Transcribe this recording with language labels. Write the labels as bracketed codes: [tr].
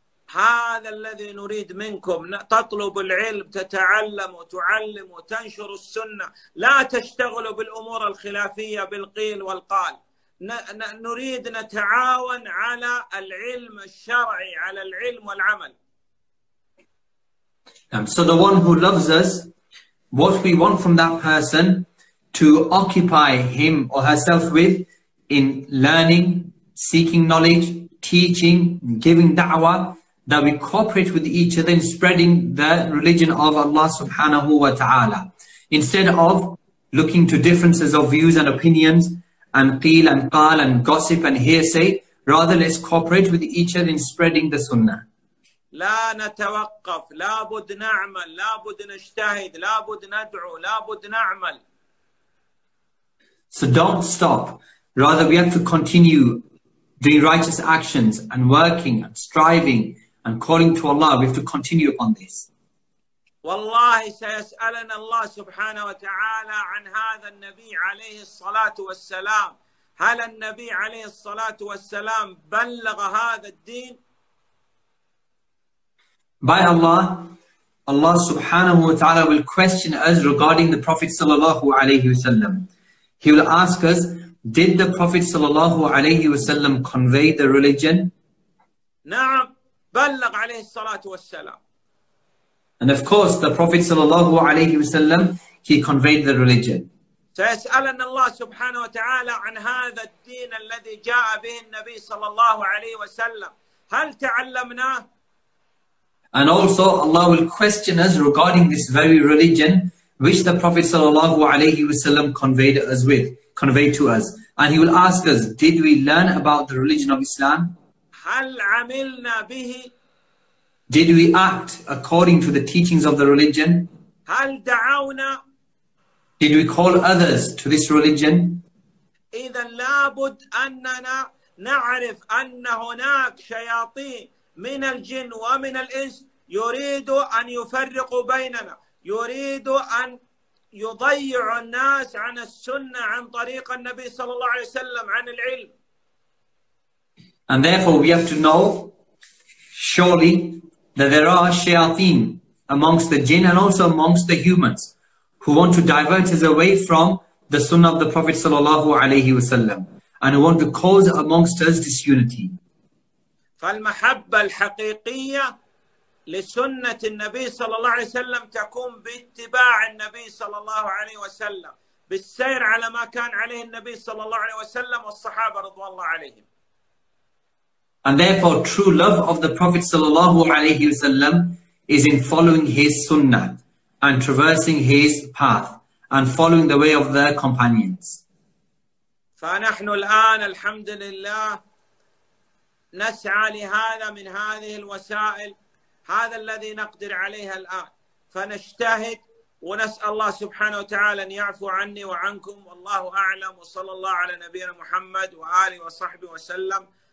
[ar] هذا الذي نريد منكم تطلب العلم تتعلم وتعلم وتنشر السنة لا تشتغلوا بالأمور الخلافية بالقيل والقال نريد نتعاون على العلم الشرعي على العلم والعمل. [en] So the one who loves us, what we want from that person to occupy him or herself with in learning, seeking knowledge, teaching, giving da'wah, that we cooperate with each other in spreading the religion of Allah subhanahu wa ta'ala, instead of looking to differences of views and opinions and qeel and qal and gossip and hearsay. Rather, let's cooperate with each other in spreading the sunnah. [ar] لا نتوقف لا بد نعمل لا بد نجتهد لا بد ندعو لا بد نعمل. [en] So don't stop. Rather, we have to continue doing righteous actions and working and striving and calling to Allah. We have to continue on this. [ar] والله سيسألنا الله سبحانه وتعالى عن هذا النبي عليه الصلاة والسلام. هل النبي عليه الصلاة والسلام بلغ هذا الدين؟ [en] By Allah, Allah subhanahu wa ta'ala will question us regarding the Prophet sallallahu alayhi wa sallam. He will ask us, did the Prophet sallallahu alayhi wa sallam convey the religion? [ar] نعم. بلغ عليه الصلاة والسلام. [en] And of course, the Prophet [ar] صلى الله عليه وسلم, [en] he conveyed the religion. [ar] سيسألنا الله سبحانه وتعالى عن هذا الدين الذي جاء به النبي صلى الله عليه وسلم. هل تعلمناه؟ [en] And also, Allah will question us regarding this very religion, which the Prophet [ar] صلى الله عليه وسلم [en] conveyed to us. And he will ask us, did we learn about the religion of Islam? [ar] هل عملنا به؟ [en] Did we act according to the teachings of the religion? [ar] هل دعونا؟ [en] Did we call others to this religion? [ar] إذا لابد أننا نعرف أن هناك شياطين من الجن ومن الإنس يريدوا أن يفرقوا بيننا يريدوا أن يضيعوا الناس عن السنة عن طريق النبي صلى الله عليه وسلم عن العلم. [en] And therefore we have to know surely that there are shayateen amongst the jinn and also amongst the humans who want to divert us away from the sunnah of the Prophet sallallahu alayhi wa sallam and who want to cause amongst us disunity. [ar] فَالْمَحَبَّ الْحَقِيقِيَّةِ لِسُنَّةِ النَّبِي صلى الله عليه وسلم تكون باتباع النبي صلى الله عليه وسلم بالسير على ما كان عليه النبي صلى الله عليه وسلم والصحابة رضو الله عليهم. [en] And therefore, true love of the Prophet sallallahu alaihi wasallam is in following his sunnah and traversing his path and following the way of their companions. [ar] فنحن الآن الحمد لله نسعى لهذا من هذه الوسائل هذا الذي نقدر عليها الآن فنجتهد ونسأل الله سبحانه وتعالى أن يعفو عني وعنكم والله أعلم وصلى الله على نبينا محمد وآله وصحبه وسلم.